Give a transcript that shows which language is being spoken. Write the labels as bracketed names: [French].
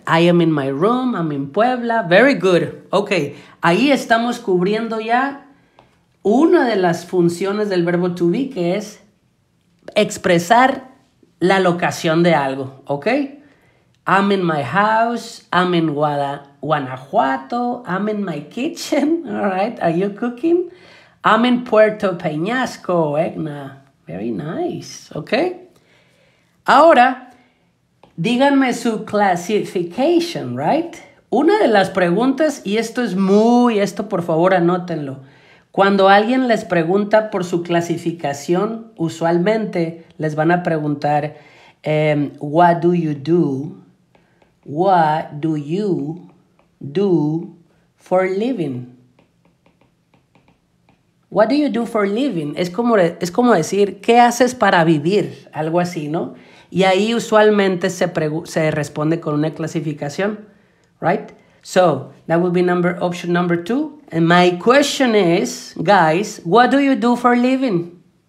[English] I am in my room, I'm in Puebla. Very good. [Spanish] Okay, ahí estamos cubriendo ya una de las funciones del verbo to be, que es expresar la locación de algo. [English] Okay? I'm in my house, I'm in Guanajuato, I'm in my kitchen. All right, are you cooking? I'm in Puerto Peñasco, Egna. Very nice. Okay? [Spanish] Ahora, díganme su [English] classification, right? [Spanish] Una de las preguntas, y esto por favor anótenlo. Cuando alguien les pregunta por su clasificación, usualmente les van a preguntar, [English] what do you do? What do you do for living? What do you do for living? [Spanish] Es como decir, ¿qué haces para vivir? Algo así, ¿no? Y ahí usualmente se responde con una clasificación, right? [English] So, that would be option number two. And my question is, guys, what do you do for a living?